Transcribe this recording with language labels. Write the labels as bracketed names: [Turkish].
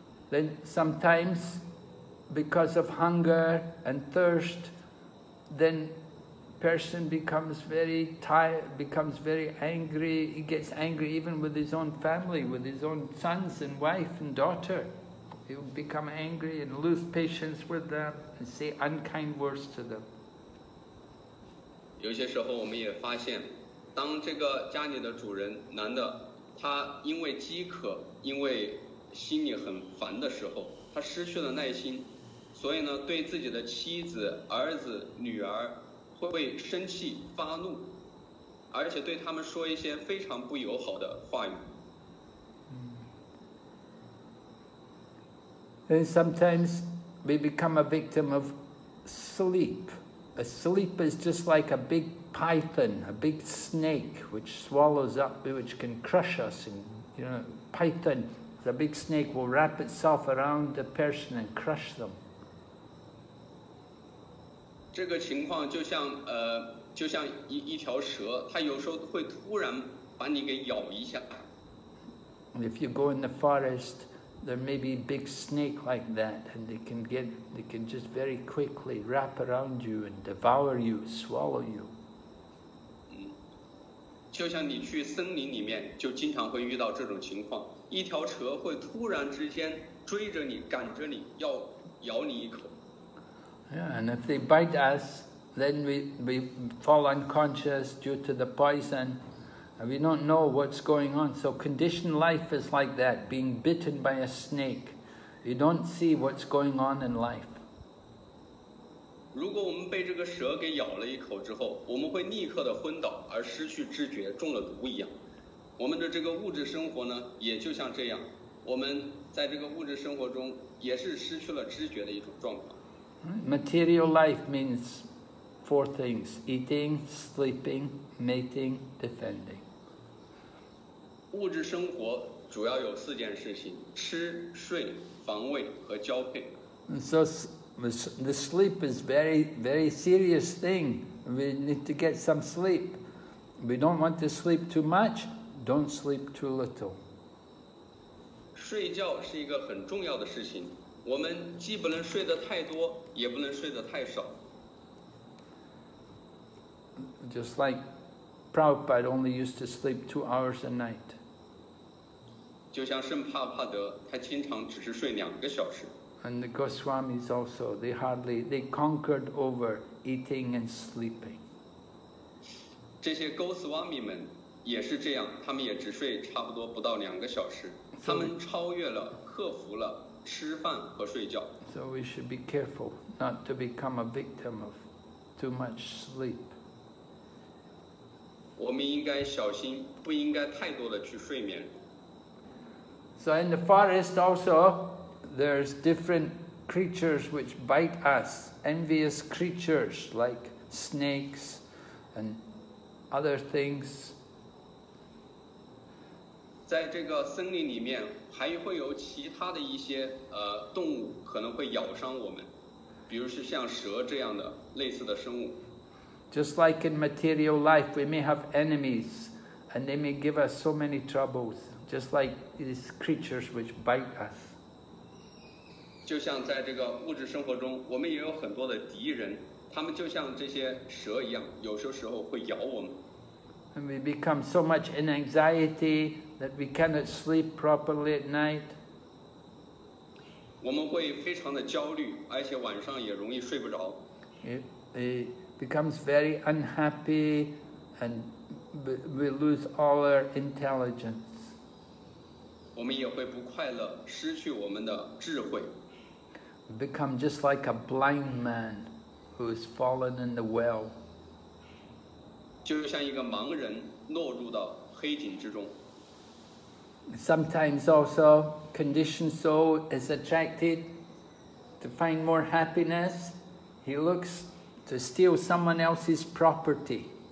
[English] Then sometimes, because of hunger and thirst, then person becomes very tired, becomes very angry, he gets angry even with his own family, with his own sons and wife and daughter. He will become angry and lose patience with them and say unkind words to them. [Chinese] 有些时候我们也发现，当这个家里的主人，男的，他因为饥渴，因为心里很烦的时候，他失去了耐心，所以呢，对自己的妻子、儿子、女儿，会生气发怒，而且对他们说一些非常不友好的话语。 [English] And sometimes we become a victim of sleep. A sleep is just like a big python, a big snake, which swallows up, which can crush us. And you know, python. The big snake will wrap itself around the person and crush them. [Chinese] 这个情况就像一条蛇，它有时候会突然把你给咬一下。 [English] If you go in the forest, there may be big snake like that, and they can just very quickly wrap around you and devour you, swallow you. [Chinese] 就像你去森林里面，就经常会遇到这种情况。一条蛇会突然之间追着你，赶着你，要咬你一口。 [English] Yeah, and if they bite us, then we fall unconscious due to the poison, and we don't know what's going on. So conditioned life is like that, being bitten by a snake. You don't see what's going on in life. [Chinese] 如果我们被这个蛇给咬了一口之后，我们会立刻的昏倒，而失去知觉，中了毒一样。我们的这个物质生活呢，也就像这样，我们在这个物质生活中也是失去了知觉的一种状况。 [English] Material life means four things: eating, sleeping, mating, defending. [Chinese] 物质生活主要有四件事情：吃、睡、防卫和交配。 [English] So the sleep is very, very serious thing. We need to get some sleep. We don't want to sleep too much. Don't sleep too little. [Chinese] 睡觉是一个很重要的事情。我们既不能睡得太多，也不能睡得太少。 [English] Just like Prabhupada only used to sleep 2 hours a night. [Chinese] 就像圣帕帕德，他经常只是睡两个小时。 [English] And the Goswamis also, they conquered over eating and sleeping. [Chinese] 这些 Goswami 们也是这样，他们也只睡差不多不到两个小时。他们超越了，克服了。吃饭和睡觉。 [English] So we should be careful not to become a victim of too much sleep. [Chinese] 我们应该小心，不应该太多的去睡眠。 [English] So in the forest also, there's different creatures which bite us, envious creatures like snakes and other things. [Chinese] 在这个森林里面还会有其他的一些动物可能会咬伤我们，比如是像蛇这样的类似的生物。 [English] Just like in material life, we may have enemies, and they may give us so many troubles, just like these creatures which bite us. [Chinese] 就像在这个物质生活中，我们也有很多的敌人，他们就像这些蛇一样，有些时候会咬我们。 [English] And we become so much in anxiety. That we cannot sleep properly at night. [Chinese] 我们会非常的焦虑，而且晚上也容易睡不着。 [English] It becomes very unhappy, and we lose all our intelligence. [Chinese] 我们也会不快乐，失去我们的智慧。 [English] We become just like a blind man who has fallen in the well. [Chinese] 就像一个盲人落入到黑井之中。 [English] Sometimes also, conditioned soul is attracted to find more happiness. He looks to steal someone else's property.